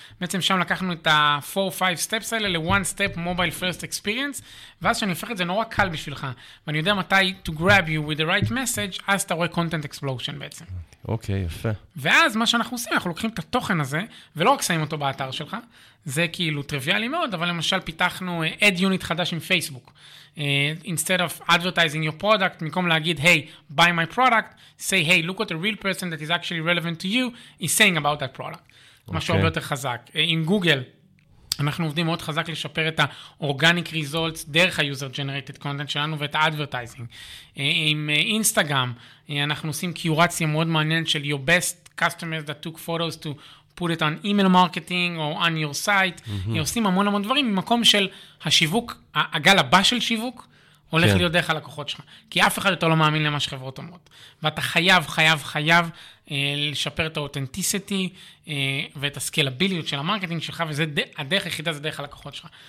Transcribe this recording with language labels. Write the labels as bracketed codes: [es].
[he] בעצם שם לקחנו את ה-4-5 steps האלה ל- [en] one step mobile first experience, [he] ואז שאני הופך את זה נורא קל בשבילך, ואני יודע מתי [en] to grab you with the right message, [he] אז אתה רואה content explosion בעצם. אוקיי, יפה. ואז מה שאנחנו עושים, אנחנו לוקחים את התוכן הזה, ולא רק שמים אותו באתר שלך, זה כאילו טריוויאלי מאוד, אבל למשל פיתחנו ad unit חדש עם פייסבוק. [en] Instead of advertising your product, [he] במקום להגיד, [en] hey, buy my product, say, hey, look at a real person that is actually relevant to you, he's saying about that product. [he] Okay. משהו הרבה יותר חזק. עם גוגל, אנחנו עובדים מאוד חזק לשפר את ה-organic results דרך ה-user-generated content שלנו ואת ה-advertising. עם אינסטגרם, אנחנו עושים קיורציה מאוד מעניינת של [en] your best customers that took photos to put it on email marketing or on your site. Mm-hmm. [he] עושים המון המון דברים ממקום של השיווק, הגל הבא של שיווק, הולך להיות דרך הלקוחות שלך. כי אף אחד אותו לא מאמין למה שחברות אומרות. ואתה חייב, חייב, חייב לשפר את האותנטיסיטי ואת הסקלביליות של המרקטינג שלך, וזה הדרך היחידה, זה דרך הלקוחות שלך.